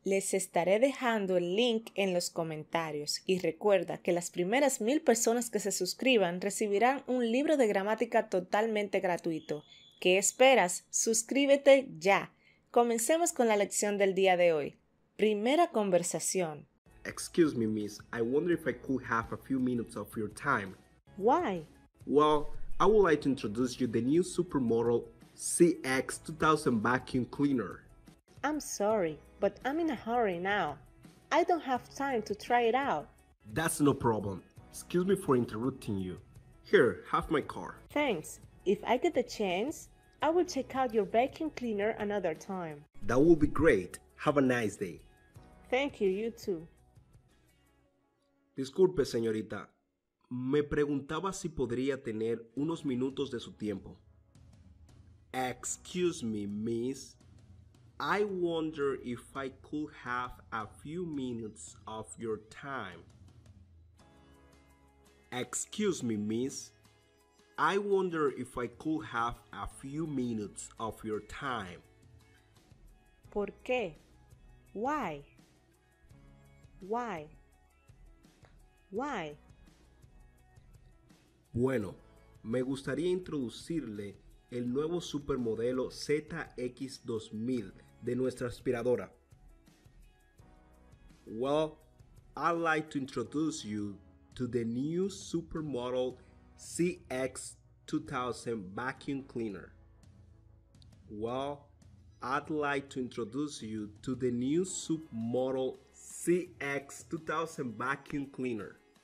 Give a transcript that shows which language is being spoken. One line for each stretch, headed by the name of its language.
Spanish: Les estaré dejando el link en los comentarios. Y recuerda que las primeras 1000 personas que se suscriban recibirán un libro de gramática totalmente gratuito. ¿Qué esperas? ¡Suscríbete ya! Comencemos con la lección del día de hoy. Primera conversación.
English: Excuse me, miss. I wonder if I could have a few minutes of your time. Why? Well, I would like to introduce you to the new supermodel CX2000 vacuum cleaner. I'm sorry, but I'm in a hurry now. I don't have time to try it out. That's no problem. Excuse me for interrupting you. Here, have my car. Thanks. If I get the chance, I will check out your vacuum cleaner another time. That would be great. Have a nice day. Thank you, you too.
Spanish: Disculpe, señorita. Me preguntaba si podría tener unos minutos de su tiempo.
English: Excuse me, miss. I wonder if I could have a few minutes of your time. Excuse me, miss. I wonder if I could have a few minutes of your time.
Spanish: ¿Por qué?
English: Why? Why? Why?
Spanish: Bueno, me gustaría introducirle el nuevo supermodelo ZX2000 de nuestra aspiradora.
English: Well, I'd like to introduce you to the new supermodel CX2000 vacuum cleaner. Well, I'd like to introduce you to the new supermodel CX2000 vacuum cleaner.